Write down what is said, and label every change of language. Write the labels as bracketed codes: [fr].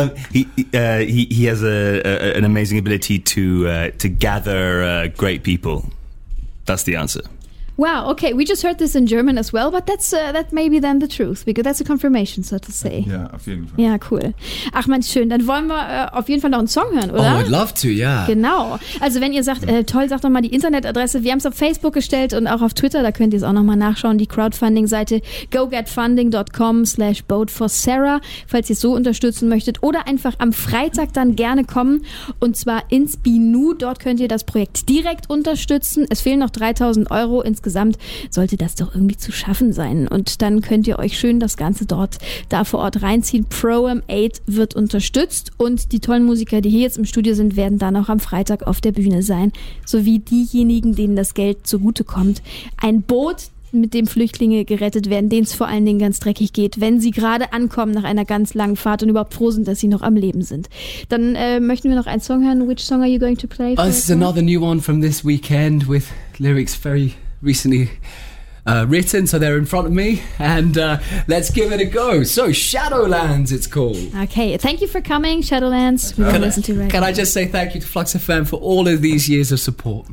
[en] he has an amazing ability to gather great people. That's the answer. Wow, okay, we just heard this in German as well, but that's that may be then the truth, because that's a confirmation, so to say. [de] Ja, auf jeden Fall. Ja, cool. Ach, Mann, schön. Dann wollen wir auf jeden Fall noch einen Song hören, oder? [en] Oh, I'd love to, yeah. [de] Genau. Also wenn ihr sagt, toll, sagt doch mal die Internetadresse. Wir haben es auf Facebook gestellt und auch auf Twitter, da könnt ihr es auch nochmal nachschauen, die Crowdfunding-Seite gogetfunding.com/boatforsarah, falls ihr es so unterstützen möchtet. Oder einfach am Freitag dann gerne kommen, und zwar ins Binu. Dort könnt ihr das Projekt direkt unterstützen. Es fehlen noch 3.000 Euro insgesamt, sollte das doch irgendwie zu schaffen sein. Und dann könnt ihr euch schön das Ganze dort da vor Ort reinziehen. Pro-Am 8 wird unterstützt und die tollen Musiker, die hier jetzt im Studio sind, werden dann auch am Freitag auf der Bühne sein. Sowie diejenigen, denen das Geld zugutekommt. Ein Boot, mit dem Flüchtlinge gerettet werden, denen es vor allen Dingen ganz dreckig geht, wenn sie gerade ankommen nach einer ganz langen Fahrt und überhaupt froh sind, dass sie noch am Leben sind. Dann möchten wir noch einen Song hören. [en] Which song are you going to play? This is another new one from this weekend with lyrics very recently written, so they're in front of me, and let's give it a go. So Shadowlands it's called. Okay, thank you for coming, Shadowlands. We can listen to right can now. I just say thank you to Flux FM for all of these years of support.